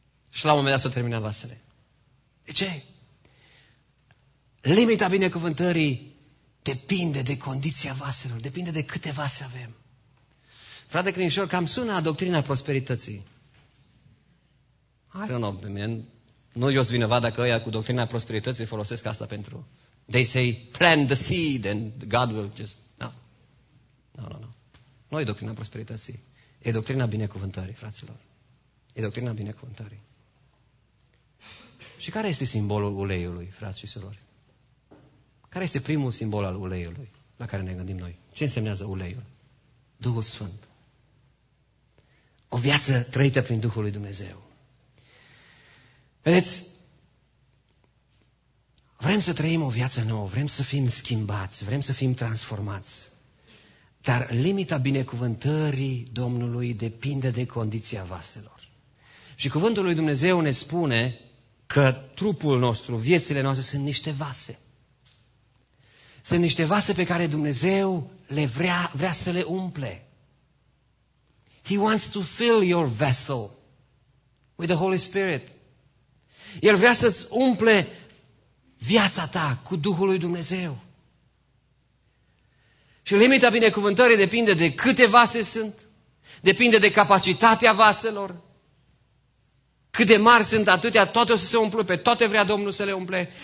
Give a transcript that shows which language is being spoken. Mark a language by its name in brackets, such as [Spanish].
[Romanian] Și la un moment dat s-a terminat vasele. De ce? Limita binecuvântării depinde de condiția vaselor, depinde de câte vase avem. Frate Crinșor, cam sună doctrina prosperității. [English] I don't know, man. [Romanian] Nu eu-s vinovat dacă ăia cu doctrina prosperității folosesc asta pentru... [English] They say, plant the seed and God will just... No, no, no. [Romanian] Nu e doctrina prosperității. E doctrina binecuvântării, fraților. E doctrina binecuvântării. Și care este simbolul uleiului, frați și surori? Care este primul simbol al uleiului la care ne gândim noi? Ce însemnează uleiul? Duhul Sfânt. O viață trăită prin Duhul lui Dumnezeu. Vedeți, vrem să trăim o viață nouă, vrem să fim schimbați, vrem să fim transformați. Dar limita binecuvântării Domnului depinde de condiția vaselor. Și cuvântul lui Dumnezeu ne spune că trupul nostru, viețile noastre sunt niște vase. Sunt niște vase pe care Dumnezeu le vrea să le umple. [English] He wants to fill your vessel with the Holy Spirit. [Romanian] El vrea să-ți umple viața ta cu Duhul lui Dumnezeu. Și limita binecuvântării depinde de câte vase sunt, depinde de capacitatea vaselor, cât de mari sunt atâtea, toate o să se umple, pe toate vrea Domnul să le umple.